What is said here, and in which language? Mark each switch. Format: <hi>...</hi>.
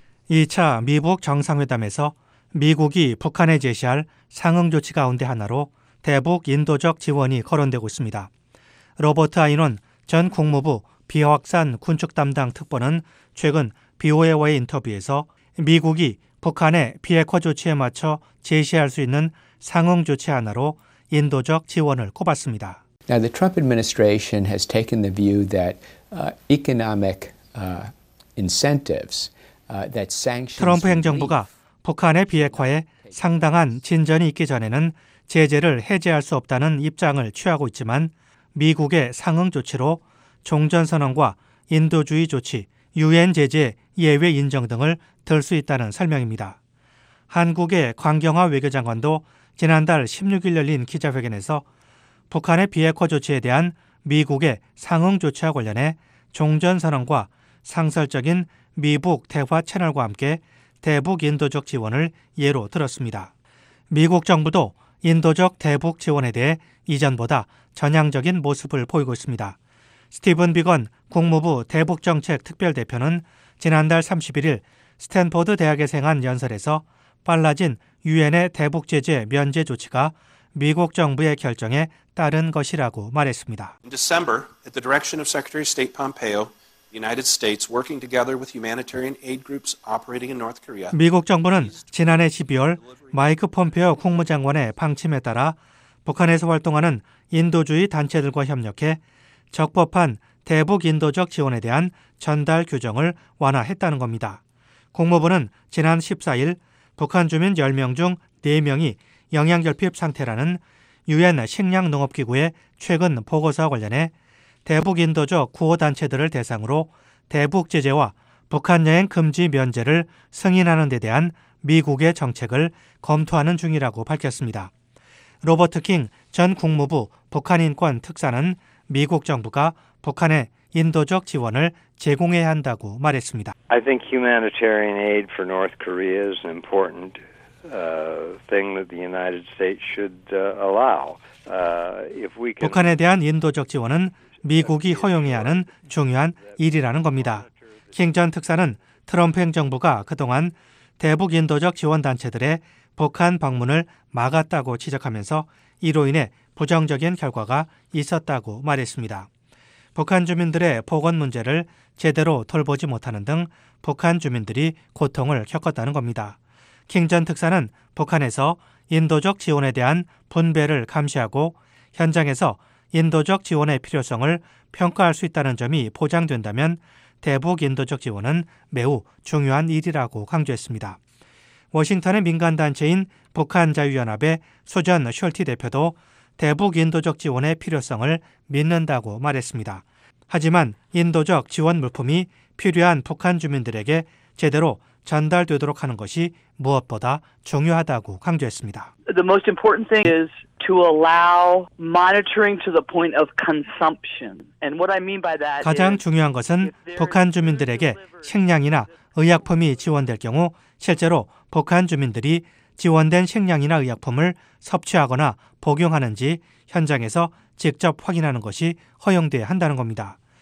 <ko>2차 미북 정상회담에서 미국이 북한에 제시할 상응 조치 가운데 하나로 대북 인도적 지원이 거론되고 있습니다. 로버트 아이논 전 국무부 비확산 군축 담당 특보는 최근 BOA와의 인터뷰에서 미국이 북한의 비핵화 조치에 맞춰 제시할 수 있는 상응 조치 하나로 인도적 지원을 꼽았습니다.</ko> <en>Now the Trump administration has taken the view that economic incentives that sanctions</en> <ko>트럼프 행정부가 북한의 비핵화에 상당한 진전이 있기 전에는 제재를 해제할 수 없다는 입장을 취하고 있지만 미국의 상응 조치로 종전선언과 인도주의 조치, 유엔 제재 예외 인정 등을 들 수 있다는 설명입니다. 한국의 광경화 외교장관도 지난달 16일 열린 기자회견에서 북한의 비핵화 조치에 대한 미국의 상응 조치와 관련해 종전선언과 상설적인 미북 대화 채널과 함께 대북 인도적 지원을 예로 들었습니다. 미국 정부도 인도적 대북 지원에 대해 이전보다 전향적인 모습을 보이고 있습니다. 스티븐 비건 국무부 대북정책특별대표는 지난달 31일 스탠퍼드 대학에서 행한 연설에서 빨라진 유엔의 대북제재 면제 조치가 미국 정부의 결정에 따른 것이라고 말했습니다.</ko> <en>In December, at the direction of Secretary of State Pompeo, the United States working together with humanitarian aid groups operating in North Korea.</en> <ko>미국 정부는 지난해 12월 마이크 폼페오 국무장관의 방침에 따라 북한에서 활동하는 인도주의 단체들과 협력해 적법한 대북 인도적 지원에 대한 전달 규정을 완화했다는 겁니다. 국무부는 지난 14일 북한 주민 10명 중 4명이 영양결핍 상태라는 유엔 식량농업기구의 최근 보고서와 관련해 대북 인도적 구호단체들을 대상으로 대북 제재와 북한 여행 금지 면제를 승인하는 데 대한 미국의 정책을 검토하는 중이라고 밝혔습니다. 로버트 킹 전 국무부 북한인권 특사는 미국 정부가 북한에 인도적 지원을 제공해야 한다고 말했습니다.</ko> <en>I think humanitarian aid for North Korea is an important thing that the United States should allow. If we can</en> <ko>북한에 대한 인도적 지원은 미국이 허용해야 하는 중요한 일이라는 겁니다. 킹 전 특사는 트럼프 행정부가 그동안 대북 인도적 지원 단체들의 북한 방문을 막았다고 지적하면서 이로 인해 부정적인 결과가 있었다고 말했습니다. 북한 주민들의 보건 문제를 제대로 돌보지 못하는 등 북한 주민들이 고통을 겪었다는 겁니다. 킹 전 특사는 북한에서 인도적 지원에 대한 분배를 감시하고 현장에서 인도적 지원의 필요성을 평가할 수 있다는 점이 보장된다면 대북 인도적 지원은 매우 중요한 일이라고 강조했습니다. 워싱턴의 민간단체인 북한자유연합의 소전 숄티 대표도 대북 인도적 지원의 필요성을 믿는다고 말했습니다. 하지만 인도적 지원 물품이 필요한 북한 주민들에게 제대로 전달되도록 하는 것이 무엇보다 중요하다고 강조했습니다.</ko> <en>The most important thing is to allow monitoring to the point of consumption. And what I mean by that is</en> <ko>가장 중요한 것은 북한 주민들에게 식량이나 의약품이 지원될 경우 실제로 북한 주민들이 지원된 식량이나 의약품을 섭취하거나 복용하는지 현장에서 직접 확인하는 것이 허용돼야 한다는 겁니다.</ko>